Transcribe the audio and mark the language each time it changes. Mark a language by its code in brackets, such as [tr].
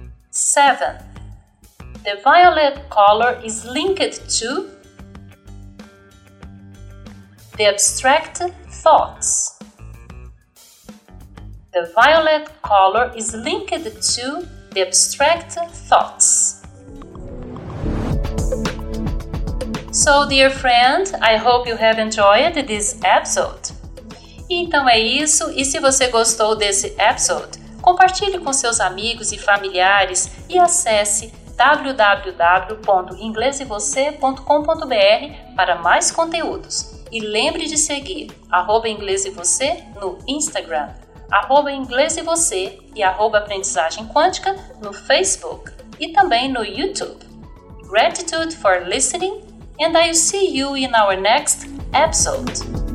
[en] 7. The violet color is linked to the abstract thoughts. The violet color is linked to the abstract thoughts. So, dear friend, I hope you have enjoyed this episode. [pt] Então é isso, e se você gostou desse episode, compartilhe com seus amigos e familiares e acesse www.inglesevocê.com.br para mais conteúdos. E lembre de seguir @inglesevocê no Instagram, @inglesevocê e @aprendizagemquântica no Facebook e também no YouTube. [en] Gratitude for listening, and I'll see you in our next episode.